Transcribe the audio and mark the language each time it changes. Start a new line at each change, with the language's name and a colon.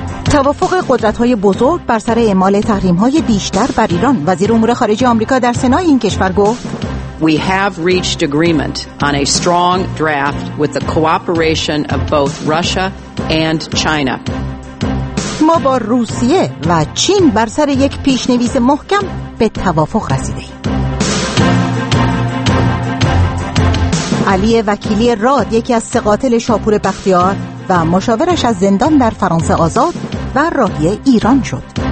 Persian: توافق قدرت‌های بزرگ بر سر اعمال تحریم‌های بیشتر بر ایران. وزیر امور خارجه آمریکا در سنای این کشور گفت
English: We have reached agreement on a strong draft with the cooperation of both Russia and China.
Persian: ما با روسیه و چین بر سر یک پیشنویس محکم به توافق رسیدیم. علی وکیلی راد، یکی از سه قاتل شاپور بختیار و مشاورش، از زندان در فرانسه آزاد و راهی ایران شد.